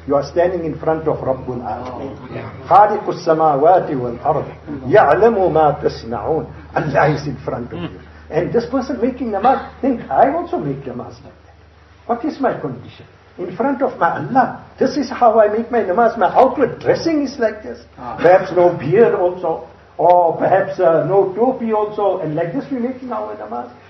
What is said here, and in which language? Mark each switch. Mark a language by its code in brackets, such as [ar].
[en] You are standing in front of Rabbul Alameen. [ar] خالق السماوات والأرض يعلم ما تصنعون. [en] Allah is in front of you. And this person making namaz, think, I also make namaz like that. What is my condition? In front of my Allah, this is how I make my namaz. My outward dressing is like this. Perhaps no beard also, or perhaps no topi also, and like this we making our namaz.